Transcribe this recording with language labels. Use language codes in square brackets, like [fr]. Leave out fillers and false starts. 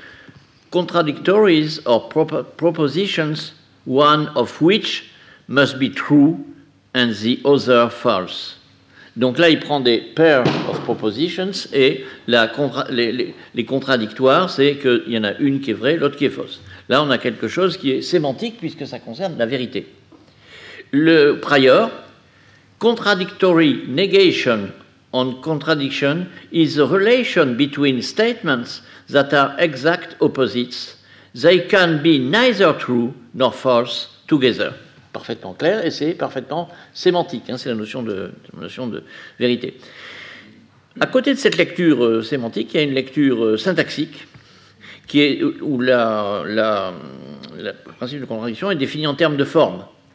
[en] « Contradictories or propositions, one of which must be true and the other false. [fr] » Donc là, il prend des « [en] pairs of propositions [fr] » et les contradictoires, c'est qu'il y en a une qui est vraie, l'autre qui est fausse. Là, on a quelque chose qui est sémantique puisque ça concerne la vérité. [en] Le prior, « contradictory negation » on contradiction is a relation between statements that are exact opposites. They can be neither true nor false together. [fr] Parfaitement clair et c'est parfaitement sémantique. Hein, c'est la notion de vérité. À côté de cette lecture sémantique, il y a une lecture syntaxique qui est où le principe de contradiction est défini en termes de forme.